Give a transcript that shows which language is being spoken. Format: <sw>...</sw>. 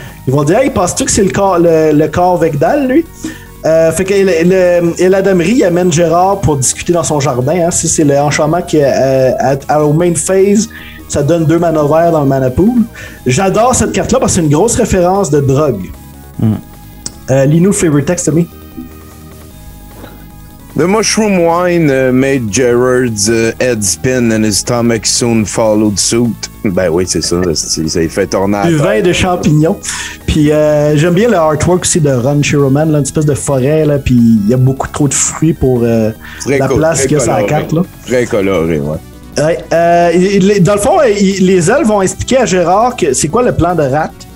<fr>Ils vont dire, hey, penses-tu que c'est le corps Vecdal, lui? Fait que Eladamri amène Gérard pour discuter dans son jardin. Hein. C'est l'enchantement qui est au main phase. Ça donne deux mana verts dans le mana pool. J'adore cette carte-là parce que c'est une grosse référence de drogue. Lino, favorite text to me.</fr> <en>The mushroom wine made Gerard's head spin and his stomach soon followed suit.</en> <fr>Ben oui, c'est ça. C'est fait tourner. Du vin de champignons. Puis j'aime bien le artwork aussi de Ron Shiroman, là, une espèce de forêt. Là, puis il y a beaucoup trop de fruits pour la place qu'il y a sur la carte. Là. Très coloré, ouais. Dans le fond, les elfes vont expliquer à Gérard que c'est quoi le plan de Rat.</fr>